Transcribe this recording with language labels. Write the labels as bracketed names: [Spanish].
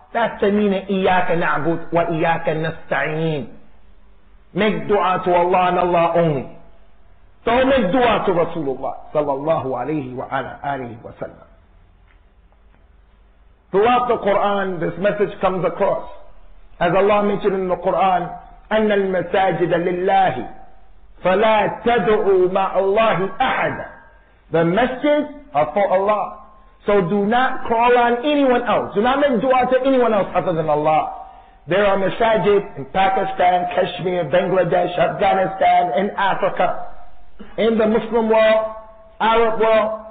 [English] That's the meaning, [Arabic] إِيَّاكَ نَعْبُدْ وَإِيَّاكَ نَسْتَعِينَ. [English] Make dua to Allah and Allah only. Don't make dua to Rasulullah sallallahu alayhi wa ala alihi wa sallam. Throughout the Quran, this message comes across. As Allah mentioned in the Quran, [Arabic] أَنَّ الْمَسَاجِدَ لِلَّهِ فَلَا تَدْعُوا مَعَ اللَّهِ أَحَدًا. [English] The messages are for Allah. So do not call on anyone else. Do not make dua to anyone else other than Allah. There are masajid in Pakistan, Kashmir, Bangladesh, Afghanistan, in Africa, in the Muslim world, Arab world.